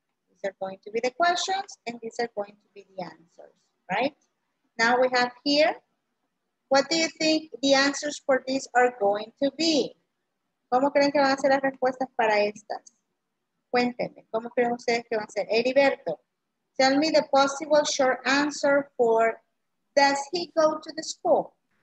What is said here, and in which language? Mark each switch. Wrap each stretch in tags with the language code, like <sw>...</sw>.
<en>These are going to be the questions and these are going to be the answers, right? Now we have here, what do you think the answers for these are going to be?</en> <es>¿Cómo creen que van a ser las respuestas para estas? Cuéntenme, ¿cómo creen ustedes que van a ser? Heriberto.</es> <en>Tell me the possible short answer for does he go to the school?</en>